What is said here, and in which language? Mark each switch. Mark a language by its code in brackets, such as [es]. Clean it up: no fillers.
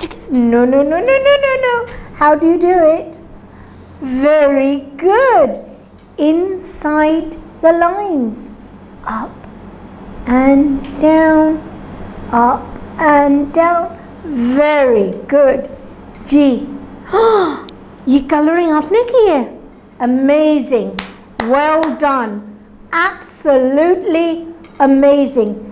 [en] No, no, no, no, no, no, no. How do you do it? Very good. Inside the lines, up and down, up and down. Very good. [ur] جی، یہ colouring آپ نے کی ہے؟ [en] Amazing. Well done. Absolutely amazing.